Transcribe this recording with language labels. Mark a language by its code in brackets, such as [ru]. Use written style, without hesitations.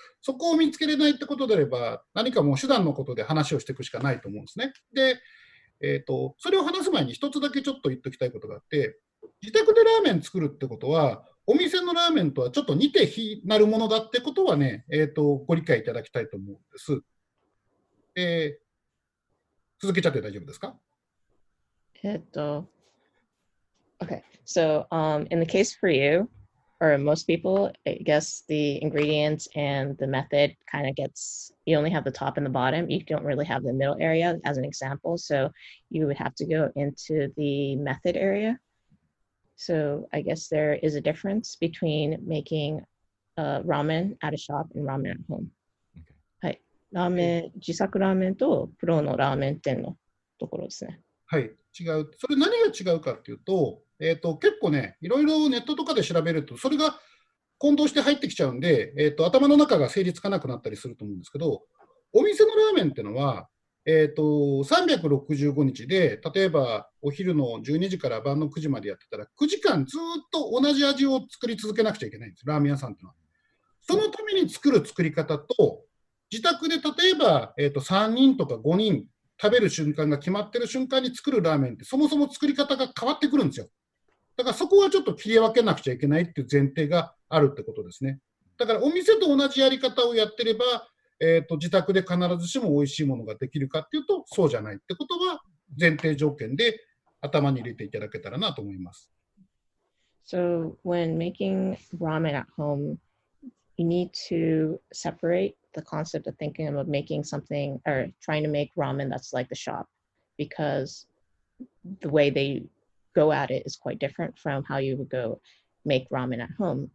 [ja] そこを見つけれないってことであれば何かもう手段のことで話をしていくしかないと思うんですねで、それを話す前に一つだけちょっと言っておきたいことがあって自宅でラーメン作るってことはお店のラーメンとはちょっと似て非なるものだってことはね、ご理解いただきたいと思うんです、続けちゃって大丈夫ですか [en] Okay, so in the case for you, or most people, I guess the ingredients and the method kind of gets, you only have the top and the bottom, you don't really have the middle area as an example, so you would have to go into the method area. So I guess there is a difference between making ramen at a shop and ramen at home. Okay. [ja] はい、ラーメン、自作ラーメンとプロのラーメン店のところですね。はい、違う。それ何が違うかっていうと、結構ね、いろいろネットとかで調べると、それが混同して入ってきちゃうんで、頭の中が整理つかなくなったりすると思うんですけど、お店のラーメンっていうのは、 365日で、例えばお昼の12時から晩の9時までやってたら、9時間ずっと同じ味を作り続けなくちゃいけないんです、ラーメン屋さんというのは。そのために作る作り方と、自宅で例えば、3人とか5人、食べる瞬間が決まってる瞬間に作るラーメンって、そもそも作り方が変わってくるんですよ。だからそこはちょっと切り分けなくちゃいけないっていう前提があるってことですね。だからお店と同じやり方をやってれば、自宅で必ずしも美味しいものができるかっていうと、そうじゃないってことは前提条件で頭に入れていただけたらなと思います。 [en] So when making ramen at home, you need to separate the concept of thinking of making something or trying to make ramen that's like the shop, because the way they go at it is quite different from how you would go make ramen at home.